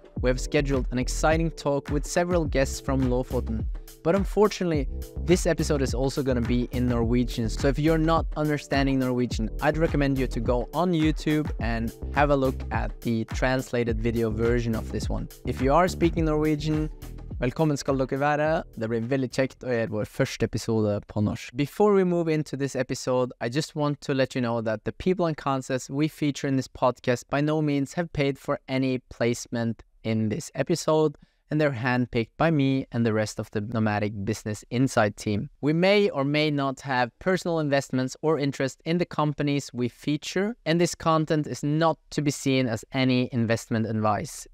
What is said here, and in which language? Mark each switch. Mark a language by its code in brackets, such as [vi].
[en] We have scheduled an exciting talk with several guests from Lofoten. But unfortunately, this episode is also going to be in Norwegian. So if you're not understanding Norwegian, I'd recommend you to go on YouTube and have a look at the translated video version of this one. If you are speaking Norwegian, [no] velkommen skal dere være. Det blir veldig kjekt å gjøre vår første episode på norsk. [en] Before we move into this episode, I just want to let you know that the people and concepts we feature in this podcast by no means have paid for any placement in this episode, and they're handpicked by me and the rest of the Nomadic Business Inside team. We may or may not have personal investments or interest in the companies we feature, and this content is not to be seen as any investment advice.